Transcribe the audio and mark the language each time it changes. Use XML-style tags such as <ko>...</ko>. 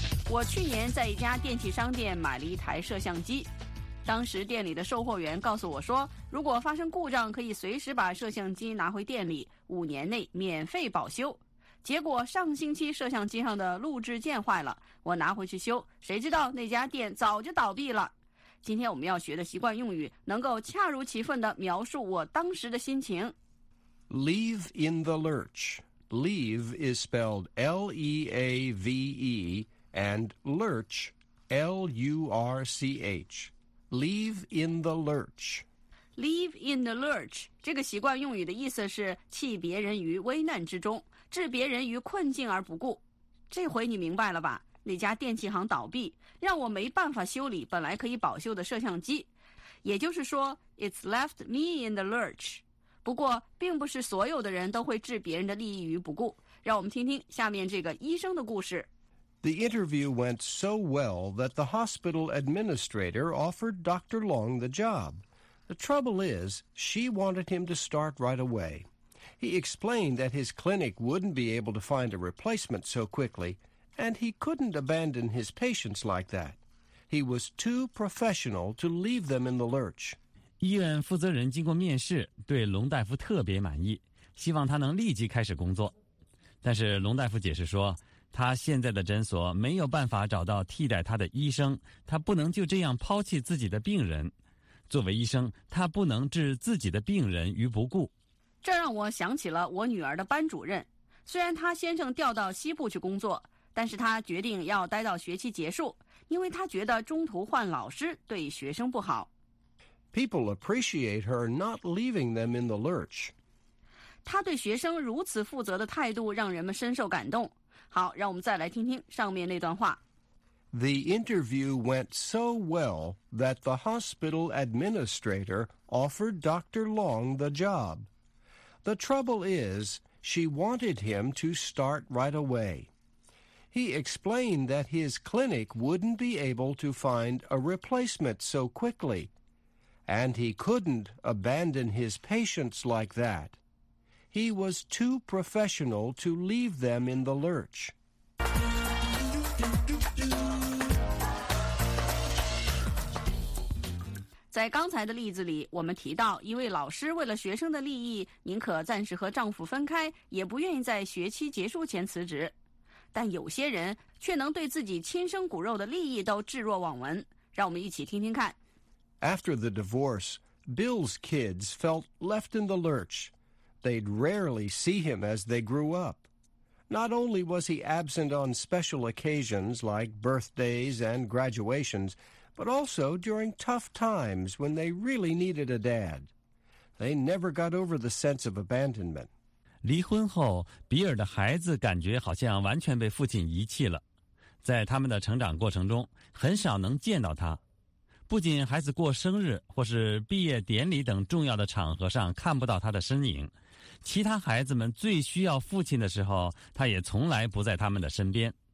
<zh>我去年在一家电器商店买了一台摄像机当时店里的售货员告诉我说如果发生故障可以随时把摄像机拿回店里五年内免费保修结果上星期摄像机上的录制键坏了我拿回去修谁知道那家店早就倒闭了今天我们要学的习惯用语能够恰如其分地描述我当时的心情</zh> <en>Leave in the lurch Leave is spelled L-E-A-V-E and lurch L-U-R-C-H Leave in the lurch. Leave in the lurch.</en> <zh>这个习惯用语的意思是弃别人于危难之中，置别人于困境而不顾。这回你明白了吧？那家电器行倒闭，让我没办法修理本来可以保修的摄像机。也就是说</zh> <en>，it's left me in the lurch.</en> <zh>不过，并不是所有的人都会置别人的利益于不顾。让我们听听下面这个医生的故事。</zh> <en>The interview went so well that the hospital administrator offered Dr. Long the job. The trouble is, she wanted him to start right away. He explained that his clinic wouldn't be able to find a replacement so quickly, and he couldn't abandon his patients like that. He was too professional to leave them in the lurch.</en> <zh>医院负责人经过面试，对龙大夫特别满意，希望他能立即开始工作。但是龙大夫解释说，他现在的诊所没有办法找到替代他的医生，他不能就这样抛弃自己的病人。作为医生，他不能置自己的病人于不顾。这让我想起了我女儿的班主任，虽然他先生调到西部去工作，但是他决定要待到学期结束，因为他觉得中途换老师对学生不好。</zh> <en>People appreciate her not leaving them in the lurch.</en> <zh>她对学生如此负责的态度让人们深受感动。好，让我们再来听听上面那段话。</zh> <en>The interview went so well that the hospital administrator offered Dr. Long the job. The trouble is, she wanted him to start right away. He explained that his clinic wouldn't be able to find a replacement so quickly, and he couldn't abandon his patients like that. He was too professional to leave them in the lurch.</en> <zh>在刚才的例子里，我们提到一位老师为了学生的利益，宁可暂时和丈夫分开，也不愿意在学期结束前辞职。但有些人却能对自己亲生骨肉的利益都置若罔闻。让我们一起听听看。</zh> <en>After the divorce, Bill's kids felt left in the lurch. They'd rarely see him as they grew up. Not only was he absent on special occasions like birthdays and graduations,but also during tough times when they really needed a dad. They never got over the sense of abandonment.</en> <zh>离婚后，比尔的孩子感觉好像完全被父亲遗弃了。在他们的成长过程中，很少能见到他。不仅孩子过生日或是毕业典礼等重要的场合上看不到他的身影，其他孩子们最需要父亲的时候，他也从来不在他们的身边。</zh>